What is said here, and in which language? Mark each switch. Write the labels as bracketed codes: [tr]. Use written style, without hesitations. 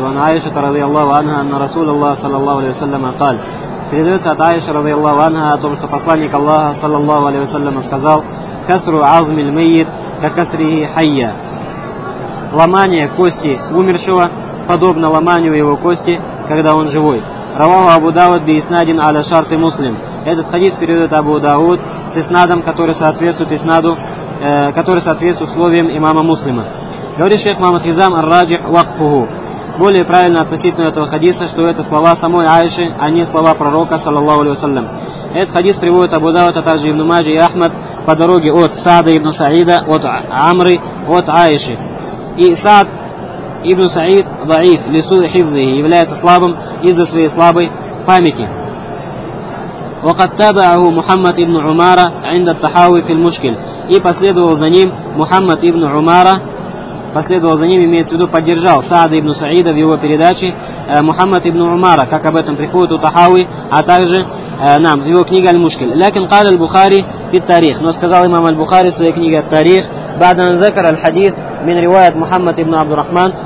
[ar] وعن عائشة رضي الله عنها أن رسول الله صلى الله عليه وسلم قال. [ru] Передается от Аиши رضي الله عنها о том, что посланник Аллаха صلى الله عليه وسلم сказал: [ar] كسر عظم الميت ككسره حيا. [ru] Ломание кости умершего подобно ломанию его кости, когда он живой. [ar] Раваху Абу Дауд би иснадин аля шарт и муслим. [ru] Этот хадис передает Абу Дауд с иснадом, который соответствует иснаду, который соответствует условиям имама Муслима. Говорит шейх Мухаммад Хизам ар-Раджих вакфуху. Более правильно относительно этого хадиса, что это слова самой Аиши, а не слова пророка, саллаллаху алейхи ва саллям. Этот хадис приводит Абу Дауд, а также ибн Маджи и Ахмад по дороге от Саада ибн Саида, от Амры, от Аиши. И Саад ибн Саид даиф, лису хифзи, является слабым из-за своей слабой памяти. [ar] وقد تابعه محمد ابن عمارة عند التحاوي في المشكل. [ru] И последовал за ним Мухаммад ибн Умара. Последовал за ним, имеется в виду, поддержал Саада ибн Саида в его передаче Мухаммад ибн Умара, как об этом приходит у Тахауи, а также нам в его книге «Аль-Мушкиль». [ar] «Лякин кал аль-Бухари фи тарих». [ru] Но сказал имам аль-Бухари в своей книге «Тарих», [ar] «Бадан закар аль-Хадис мин ривайат Мухаммад ибн Абдурахман».